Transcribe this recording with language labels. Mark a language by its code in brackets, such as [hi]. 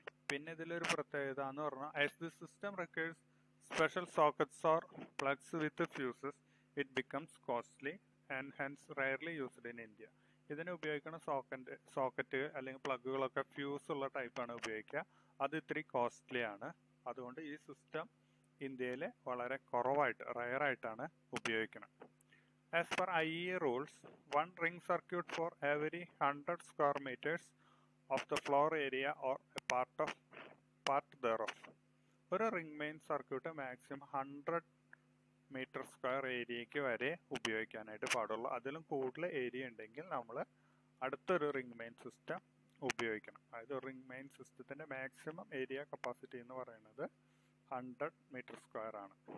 [ml] പിന്നെ ഇതിലൊരു പ്രത്യേകത എന്ന് പറഞ്ഞാൽ, [en] As the system requires special sockets or plugs with fuses it becomes costly and hence rarely used in India. [ml] ഇതിന് ഉപയോഗിക്കുന്ന സോക്കറ്റ് അല്ലെങ്കിൽ പ്ലഗുകളൊക്കെ ഫ്യൂസ് ഉള്ള ടൈപ്പാണ് ഉപയോഗിക്കുക, അത് ഇത്തിരി കോസ്റ്റ്ലി ആണ്. അതുകൊണ്ട് ഈ സിസ്റ്റം ഇന്ത്യയിൽ വളരെ കുറവായിട്ട് റെയറായിട്ടാണ് ഉപയോഗിക്കുന്നത്. [en] As per IEEE rules, one ring circuit for every 100 square meters of the floor area or a part thereof. [ml] ഒരു ring main circuit maximum 100 meters square ഏരിയയ്ക്ക് വരെ ഉപയോഗിക്കാനായിട്ട് പാടുള്ളൂ. അതിലും കൂടുതൽ ഏരിയ ഉണ്ടെങ്കിൽ നമ്മൾ അടുത്തൊരു റിംഗ് മെയിൻ സിസ്റ്റം ഉപയോഗിക്കണം. അതായത് റിംഗ് മെയിൻ സിസ്റ്റത്തിൻ്റെ മാക്സിമം ഏരിയ കപ്പാസിറ്റി എന്ന് പറയുന്നത് 100 meters സ്ക്വയർ ആണ്.